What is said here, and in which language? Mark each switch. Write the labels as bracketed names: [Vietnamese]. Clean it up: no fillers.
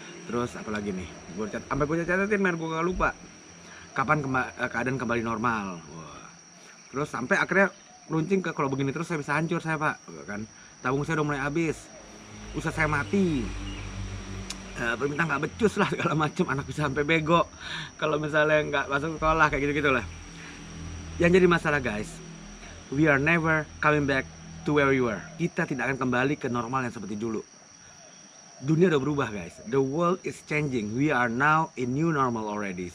[Indonesian] Terus apalagi nih, gue catatin biar gue gak lupa kapan keadaan kembali normal. Terus sampai akhirnya runcing ke, kalau begini terus saya bisa hancur saya pak, kan? Tabung saya udah mulai habis, usaha saya mati, permintaan nggak becus lah segala macam, anak bisa sampai bego kalau misalnya nggak masuk sekolah kayak gitu lah. Yang jadi masalah [English] guys, we are never coming back to where we were. [Indonesian] Kita tidak akan kembali ke normal yang seperti dulu. Dunia udah berubah [English] guys, the world is changing. We are now in new normal already.